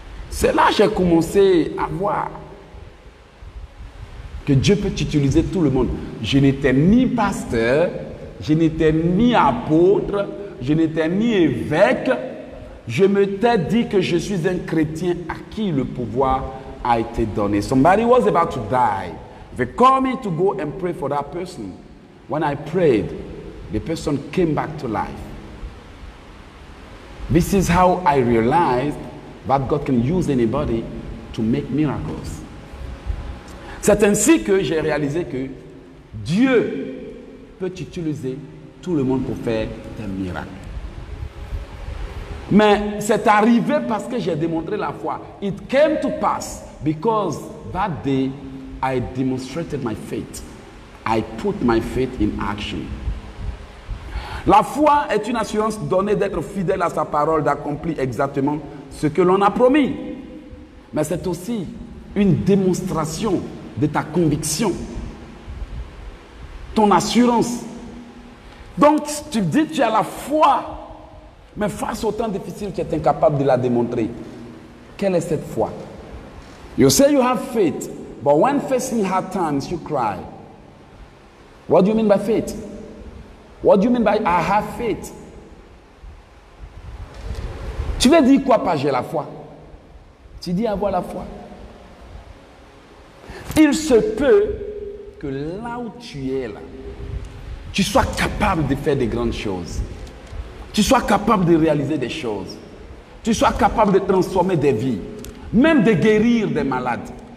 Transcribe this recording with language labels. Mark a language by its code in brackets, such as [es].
[fr] C'est là que j'ai commencé à voir que Dieu peut utiliser tout le monde. Je n'étais ni pasteur, je n'étais ni apôtre, je n'étais ni évêque. Je me suis dit que je suis un chrétien à qui le pouvoir a été donné. [en] Somebody was about to die. They called me to go and pray for that person. When I prayed, the person came back to life. This is how I realized that God can use anybody to make miracles. [fr] C'est ainsi que j'ai réalisé que Dieu peut utiliser tout le monde pour faire des miracles. Mais c'est arrivé parce que j'ai démontré la foi. [en] It came to pass because that day I demonstrated my faith. I put my faith in action. [fr] La foi est une assurance donnée d'être fidèle à sa parole, d'accomplir exactement ce que l'on a promis. Mais c'est aussi une démonstration de ta conviction, ton assurance. Donc tu dis tu as la foi, mais face au temps difficile tu es incapable de la démontrer. Quelle est cette foi? [en] You say you have faith, but when facing hard times you cry. What do you mean by faith? What do you mean by I have faith? [fr] Tu veux dire quoi par j'ai la foi? Tu dis avoir la foi. Il se peut que là où tu es là, tu sois capable de faire des grandes choses. Tu sois capable de réaliser des choses. Tu sois capable de transformer des vies, même de guérir des malades.